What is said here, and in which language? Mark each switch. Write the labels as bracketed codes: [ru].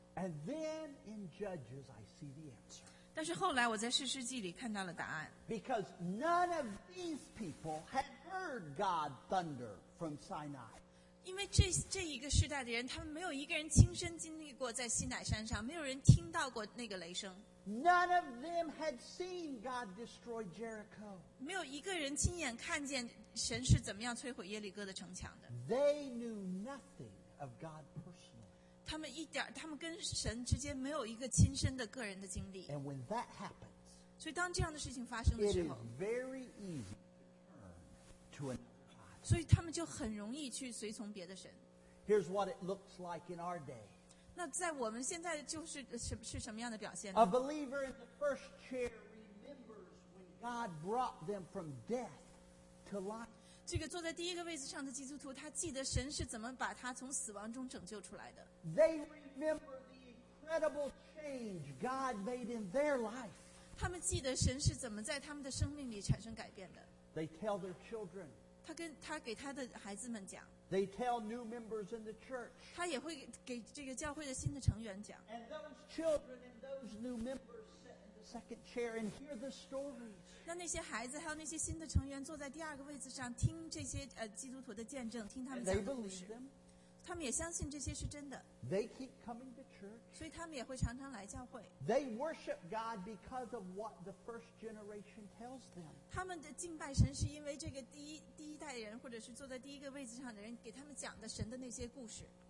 [en] ？And then in Judges I see the answer. [zh] 但是后来我在士师记里看到了答案。 [en] Because none of these people had heard. heard God thunder from Sinai. [zh] 因为 这一个世代的人，他们没有一个人亲身经历过在西乃山上，没有人听到过那个雷声。 [en] None of them had seen God destroy Jericho. [zh] 没有一个人亲眼看见神是怎么样摧毁耶利哥的城墙的。 [en] They knew nothing of God personally. [zh] 他们一点，他们跟神之间没有一个亲身的个人的经历。 [en] And when that happens, [zh] 所以当这样的事情发生的时候 [en] ，it is very easy to turn to another God. [zh] 所以他们就很容易去随从别的神。 [en] Here's what it looks like in our day. [zh] 那在我们现在就是 是什么样的表现呢 [en] A believer in the first chair remembers when God brought them from death to life. [zh] 这个坐在第一个位置上的基督徒，他记得神是怎么把他从死亡中拯救出来的。 [en] They remember the incredible change God made in their life. [zh] 他们记得神是怎么在他们的生命里产生改变的。 [en] They tell their children. [zh] 他给他的孩子们讲。 [en] They tell new members in the church. [zh] 他也会给这个教会的新的成员讲。 [en] And those children and those new members sit in the second chair and hear the stories. [zh] 那些孩子还有那些新的成员坐在第二个位置上，听这些基督徒的见证，听他们讲的故事。 [en] And they believe them. [zh] 他们也相信这些是真的。 [en] They keep coming to church. [zh] 所以他们也会常常来教会。 [en] They worship God because of what the first generation tells them. [zh] 他们的敬拜神是因为这个第一代人或者是坐在第一个位置上的人给他们讲的神的那些故事。